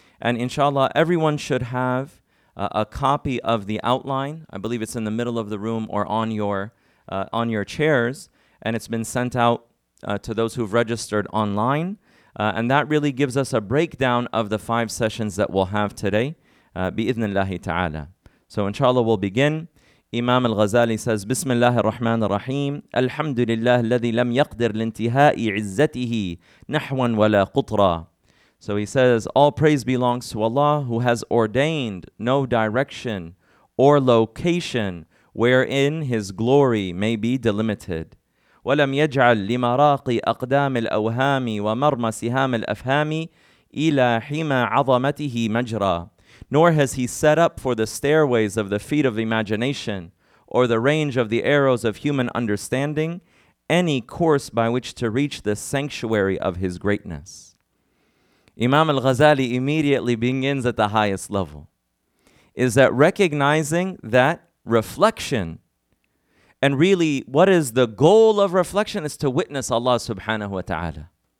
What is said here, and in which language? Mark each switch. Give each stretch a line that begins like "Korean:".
English: And inshallah, everyone should have a copy of the outline. I believe it's in the middle of the room or on your chairs. And it's been sent out to those who've registered online. And that really gives us a breakdown of the five sessions that we'll have today.
Arabic: بإذن الله تعالى.
English: So inshallah, we'll begin. Imam al-Ghazali says,
Arabic: بسم الله الرحمن الرحيم الحمد لله الذي لم يقدر لانتهاء عزته نحوا ولا قطرا.
English: So he says, all praise belongs to Allah who has ordained no direction or location wherein his glory may be delimited.
Arabic: ولم يجعل لمراق أقدام الأوهام ومرمى سهام الأفهام إلى حما عظمته مجرى.
English: Nor has he set up for the stairways of the feet of imagination or the range of the arrows of human understanding any course by which to reach the sanctuary of his greatness. Imam al-Ghazali immediately begins at the highest level, is that recognizing that reflection, and really what is the goal of reflection, is to witness Allah subhanahu wa ta'ala.